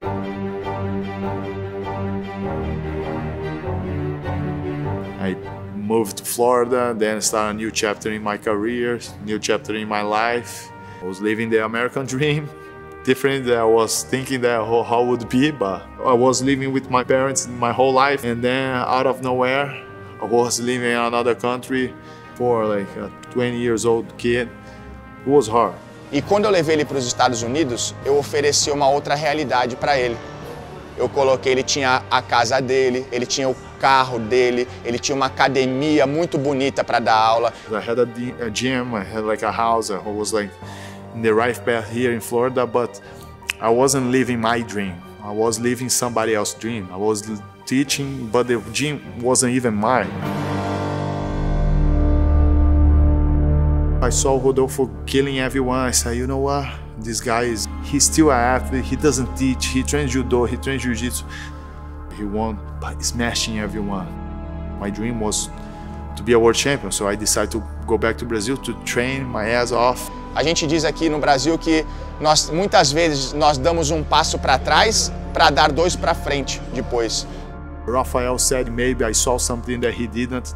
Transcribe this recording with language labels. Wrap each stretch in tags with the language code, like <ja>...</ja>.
<en>I moved to Florida, then started a new chapter in my career, new chapter in my life. I was living the American dream, different than I was thinking that how would be, but I was living with my parents my whole life, and then out of nowhere, I was living in another country for like a 20 years old kid. It was hard.</en> <pt>E quando eu levei ele para os Estados Unidos, eu ofereci uma outra realidade para ele. Eu coloquei, ele tinha a casa dele, ele tinha o carro dele, ele tinha uma academia muito bonita para dar aula.</pt> <en>I had a gym, I had like a house, I was like in the right path here in Florida, but I wasn't living my dream. I was living somebody else's dream. I was teaching, but the gym wasn't even mine. I saw Rodolfo killing everyone. I said, you know what? This guy is, he's still an athlete. He doesn't teach. He trains judo, he trains jiu-jitsu. He won by smashing everyone. My dream was to be a world champion. So I decided to go back to Brazil to train my ass off.</en> <pt>A gente diz aqui no Brasil que nós, muitas vezes, nós damos um passo para trás para dar dois para frente depois.</pt> <en>Rafael said maybe I saw something that he didn't.</en>